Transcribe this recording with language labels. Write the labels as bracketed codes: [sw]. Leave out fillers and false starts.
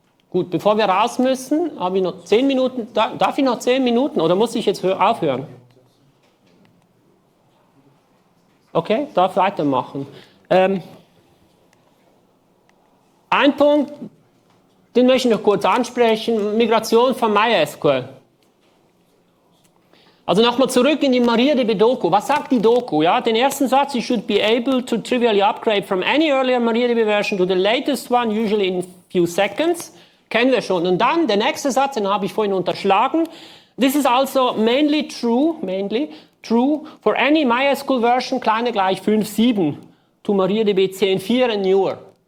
[de] Gut, bevor wir raus müssen, habe ich noch 10 Minuten, darf ich noch 10 Minuten oder muss ich jetzt aufhören? Okay, darf weitermachen. Ein Punkt, den möchte ich noch kurz ansprechen, Migration von MySQL. Also nochmal zurück in die MariaDB-Doku. Was sagt die Doku? Ja, den ersten Satz, [en] you should be able to trivially upgrade from any earlier MariaDB version to the latest one, usually in few seconds. [de] Kennen wir schon. Und dann der nächste Satz, den habe ich vorhin unterschlagen. [en] This is also mainly true for any MySQL version [de] kleiner gleich [en] 5.7 to MariaDB 10.4 and newer.